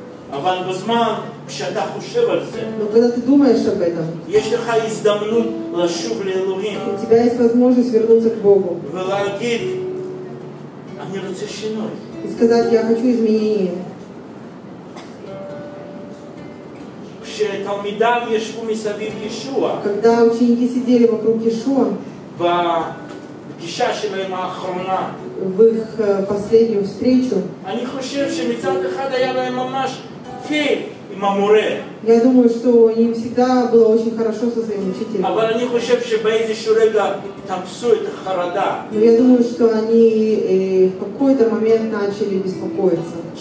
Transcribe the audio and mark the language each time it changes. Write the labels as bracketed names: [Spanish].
[Russian] Но когда ты думаешь об этом, у тебя есть возможность вернуться к Богу. И сказать, я хочу изменения. [Hebrew] כשתלמידיו ישבו מסביב ישוע. [Russian] Когда ученики сидели вокруг Иешуа. [Hebrew] בפגישה שלהם האחרונה. [Russian] В их последнюю встречу. [Hebrew] אני חושב שמצד אחד היה להם ממש כיף. Мамуре. [Russian] Я думаю, что им всегда было очень хорошо со своим учителем. Но я думаю, что они в какой-то момент начали беспокоиться.